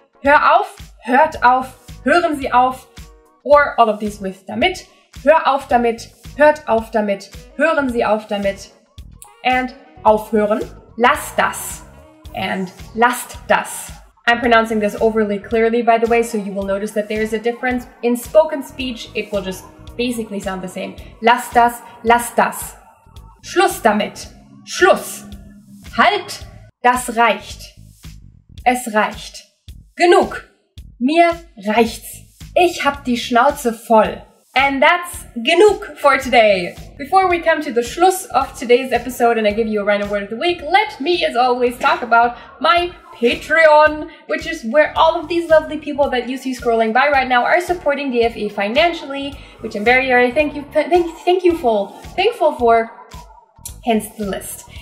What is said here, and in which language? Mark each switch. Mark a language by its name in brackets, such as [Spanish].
[German] Hör auf, hört auf, hören Sie auf, [English] or all of these with [German] damit. Hör auf damit, hört auf damit, hören Sie auf damit, and aufhören. Lass das, and lasst das. [English] I'm pronouncing this overly clearly, by the way, so you will notice that there is a difference. In spoken speech, it will just basically sound the same. [German] Lass das, lass das. Schluss damit. Schluss. Halt. Das reicht. Es reicht. Genug. Mir reicht's. Ich hab die Schnauze voll. [English] And that's genug for today. Before we come to the Schluss of today's episode and I give you a random word of the week, let me, as always, talk about my Patreon, which is where all of these lovely people that you see scrolling by right now are supporting DFE financially, which I'm very, very thankful for, hence the list.